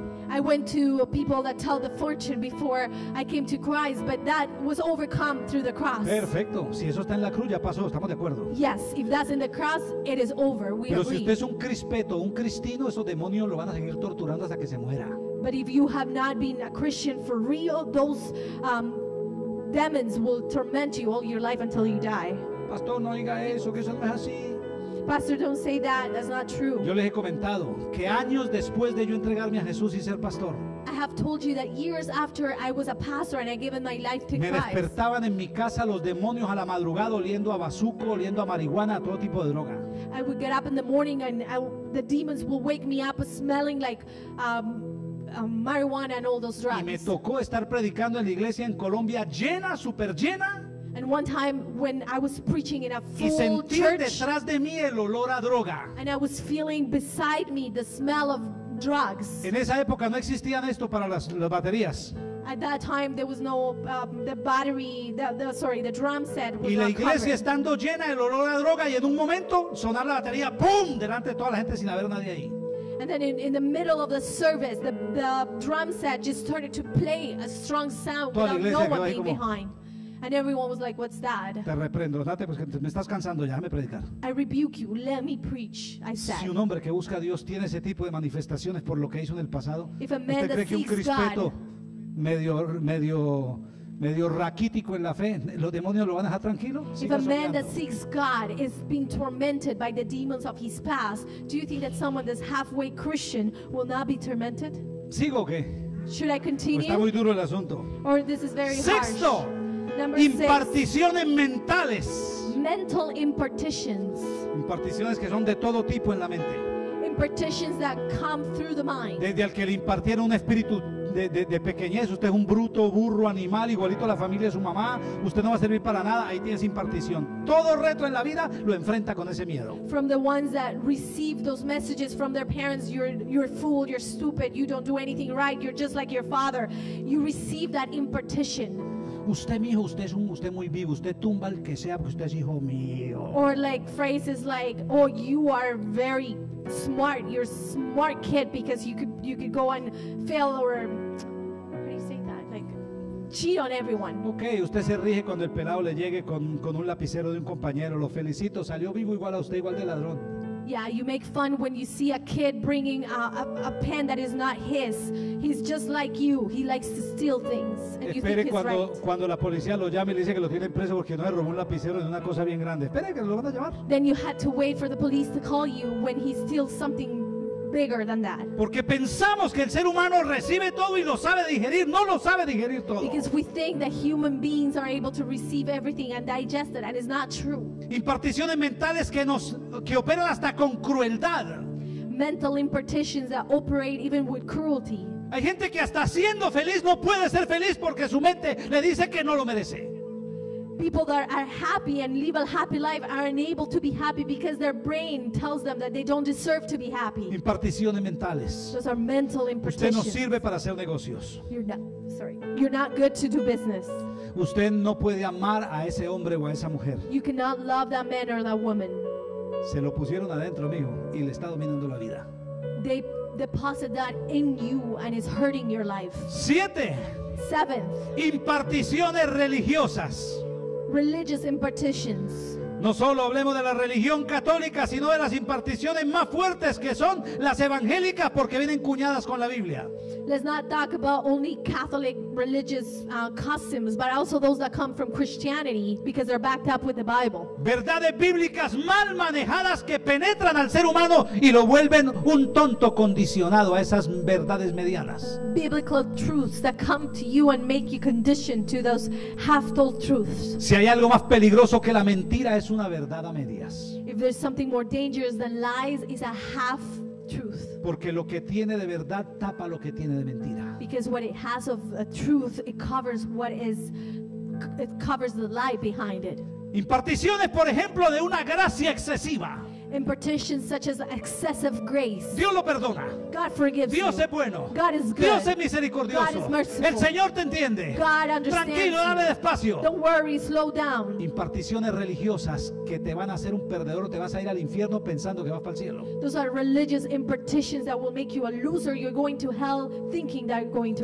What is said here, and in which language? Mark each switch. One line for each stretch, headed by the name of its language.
English: I went to people that tell the fortune before I came to Christ, but that was overcome through the cross.
Spanish: Perfecto. Si eso está en la cruz, ya pasó. Estamos de acuerdo.
English: Yes, if that's in the cross, it is over. We
Spanish: Pero
English: agree.
Spanish: Si usted es un crispeto, un cristino, esos demonios lo van a seguir torturando hasta que se muera.
English: But if you have not been a Christian for real, those demons will torment you all your life until you die.
Spanish: Pastor, no diga eso, que eso no es así.
English: Pastor, don't say that. That's not true.
Spanish: Yo les he comentado que años después de yo entregarme a Jesús y ser pastor,
English: I have told you that years after I was a pastor and I given my life to
Spanish: me
English: Christ,
Spanish: me despertaban en mi casa los demonios a la madrugada oliendo a bazuco, oliendo a marihuana, a todo tipo de droga.
English: I would get up in the morning and the demons would wake me up smelling like marijuana and all those drugs.
Spanish: Y me tocó estar predicando en la iglesia en Colombia llena, super llena.
English: And one time when I was preaching in a full
Spanish: y sentí
English: church,
Spanish: detrás de mí el olor a droga.
English: And I was feeling beside me the smell of drugs.
Spanish: En esa época no existían esto para las baterías.
English: At that time there was no the drum set was
Spanish: y la
English: not
Spanish: iglesia
English: covered.
Spanish: Estando llena el olor a droga y en un momento sonar la batería boom delante de toda la gente sin haber nadie ahí.
English: And then in the middle of the service the drum set just started to play a strong sound
Spanish: toda
English: without no one being behind. And everyone was like, "What's that?"
Spanish: Te reprendo, date, pues me estás cansando ya, déjame predicar.
English: I rebuke you, let me preach, I said.
Spanish: Si un hombre que busca a Dios tiene ese tipo de manifestaciones por lo que hizo en el pasado, ¿usted cree que un crispeto medio raquítico en la fe, los demonios lo van a dejar tranquilo?
English: If a man that seeks God is being tormented by the demons of his past, do you think that someone that's halfway Christian will not be tormented?
Spanish: ¿Sigo o qué?
English: Should I continue?
Spanish: Está muy duro el asunto.
English: Or this is very
Spanish: Sexto.
English: Harsh.
Spanish: Imparticiones mentales.
English: Mental impartitions.
Spanish: Imparticiones que son de todo tipo en la mente.
English: Impartitions that come through the mind.
Spanish: Desde al que le impartieron un espíritu de pequeñez, usted es un bruto, burro, animal, igualito a la familia de su mamá, usted no va a servir para nada, ahí tienes impartición. Todo reto en la vida lo enfrenta con ese miedo.
English: From the ones that receive those messages from their parents, you're a fool, you're stupid, you don't do anything right, you're just like your father. You receive that impartition.
Spanish: Usted mijo, usted es un usted muy vivo, usted tumba el que sea porque usted es hijo mío.
English: Or like phrases like, oh, you are very smart, you're a smart kid because you could go and fail or how do you say that? Like cheat on everyone.
Spanish: Okay, usted se rige cuando el pelado le llegue con un lapicero de un compañero, lo felicito, salió vivo igual a usted, igual de ladrón.
English: Yeah, you make fun when you see a kid bringing a pen that is not his. He's just like you. He likes to steal things. And you think he's
Spanish: cuando,
English: right.
Spanish: Cuando la policía lo llame y le dice que lo tienen preso porque no le robó un lapicero de una cosa bien grande. Espere que lo van a llamar.
English: Then you had to wait for the police to call you when he steals something bigger than that.
Spanish: Porque pensamos que el ser humano recibe todo y lo sabe digerir. No lo sabe digerir todo.
English: Because we think that human beings are able to receive everything and digest it, and it's not true.
Spanish: Imparticiones mentales que operan hasta con crueldad.
English: Mental impartitions that operate even with cruelty.
Spanish: Hay gente que hasta siendo feliz no puede ser feliz porque su mente le dice que no lo merece.
English: People that are happy and live a happy life are unable to be happy because their brain tells them that they don't deserve to be happy.
Spanish: Imparticiones mentales.
English: Those are mental impartitions.
Spanish: Usted no sirve para hacer negocios.
English: You're not good to do business.
Spanish: Usted no puede amar a ese hombre o a esa mujer.
English: You cannot love that man or that woman.
Spanish: Se lo pusieron adentro, mijo, y le está dominando la vida.
English: They deposit that in you and it's hurting your life.
Spanish: Siete.
English: Seventh.
Spanish: Imparticiones religiosas.
English: Religious impartitions.
Spanish: No solo hablemos de la religión católica, sino de las imparticiones más fuertes que son las evangélicas, porque vienen cuñadas con la Biblia.
English: Let's not talk about only Catholic religious customs, but also those that come from Christianity, because they're backed up with the Bible.
Spanish: Verdades bíblicas mal manejadas que penetran al ser humano y lo vuelven un tonto condicionado a esas verdades medianas.
English: Biblical truths that come to you and make you conditioned to those half-told truths.
Spanish: Si hay algo más peligroso que la mentira, es una verdad a medias.
English: If there's something more dangerous than lies, it's a half truth.
Spanish: Porque lo que tiene de verdad tapa lo que tiene de mentira.
English: Because what it has of a truth, it covers the lie behind it.
Spanish: Imparticiones, por ejemplo, de una gracia excesiva.
English: Impartitions such as excessive grace.
Spanish: Dios lo perdona.
English: God forgives.
Spanish: Dios
English: you.
Spanish: Es bueno.
English: God is good.
Spanish: Dios es misericordioso.
English: God is merciful.
Spanish: El Señor te entiende.
English: God understands.
Spanish: Tranquilo, dale despacio.
English: Don't worry, slow down.
Spanish: Imparticiones religiosas que te van a hacer un perdedor, te vas a ir al infierno pensando que vas para el cielo.
English: Those are religious impartitions that will make you a loser. You're going to hell thinking that you're going to